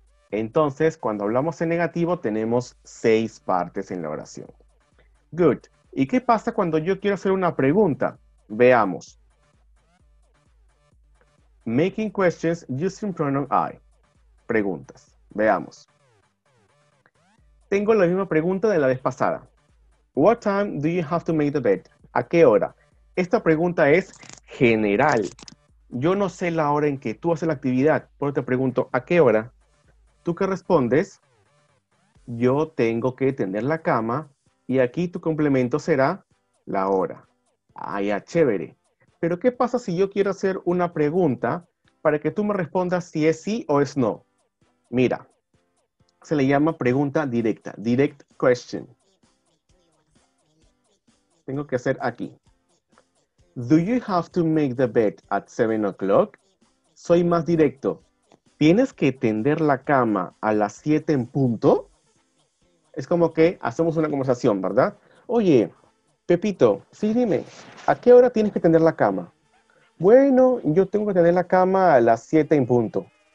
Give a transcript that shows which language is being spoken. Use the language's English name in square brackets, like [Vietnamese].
[Spanish] Entonces, cuando hablamos en negativo, tenemos 6 partes en la oración. [English] Good. [Spanish] ¿Y qué pasa cuando yo quiero hacer una pregunta? Veamos. [English] Making questions using pronoun I. [Spanish] Preguntas. Veamos. Tengo la misma pregunta de la vez pasada. [English] What time do you have to make the bed? [Spanish] ¿A qué hora? Esta pregunta es general. Yo no sé la hora en que tú haces la actividad, pero te pregunto, ¿a qué hora? ¿Tú qué respondes? Yo tengo que tender la cama y aquí tu complemento será La hora. Ah, ya, chévere. Pero ¿qué pasa si yo quiero hacer una pregunta para que tú me respondas si es sí o es no? Mira, se le llama pregunta directa, [English] direct question. [Spanish] Tengo que hacer aquí. [English] Do you have to make the bed at 7 o'clock? [Spanish] Soy más directo. ¿Tienes que tender la cama a las 7 en punto? Es como que hacemos una conversación, ¿verdad? Oye, Pepito, sí, dime, ¿a qué hora tienes que tender la cama? Bueno, yo tengo que tender la cama a las 7 en punto.